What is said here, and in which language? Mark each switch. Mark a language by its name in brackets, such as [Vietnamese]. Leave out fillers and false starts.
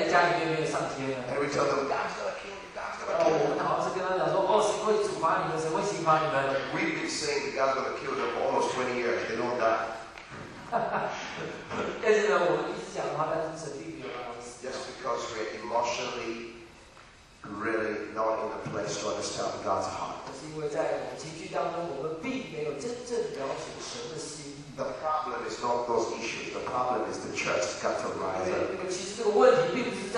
[English] Look at them. But we're still hiding in the church. [Chinese] 如果我们在电视上面一直批评说同性恋者怎么可以跑到街上那边在那边游行的，嘿，看但是你在你的家里面没有上天了。 [English] And we tell them, God's gonna kill you. [Chinese] 然后我们的好是跟他讲说，哦，神会处罚你们，神会刑罚你们。 [English] We've been saying God's gonna kill them for almost 20 years. They don't die. [Chinese] 但是呢，我们一直讲的话，但是神并没有让我们死。 [English] Just because we're emotionally really not in a place to understand God's heart. [Chinese] 是因为在我们情绪当中，我们并没有真正了解神的心。 [English] The problem is not those issues. The problem is the church got to rise up.